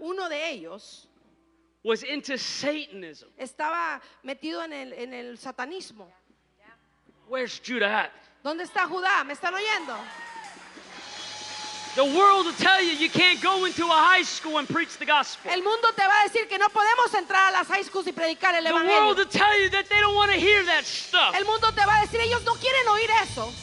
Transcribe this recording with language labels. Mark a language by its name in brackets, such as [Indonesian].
[Spanish] Uno de ellos. [English] Was into Satanism. [Spanish] Estaba metido en el satanismo. [English] Yeah. Yeah. Where's Judah at? [Spanish] ¿Dónde está Judá? ¿Me están oyendo? [English] The world will tell you you can't go into a high school and preach the gospel. [Spanish] El mundo te va a decir que no podemos entrar a las high schools y predicar el evangelio. [English] The world will tell you that they don't want to hear that stuff. [Spanish] El mundo te va a decir ellos no quieren oír eso.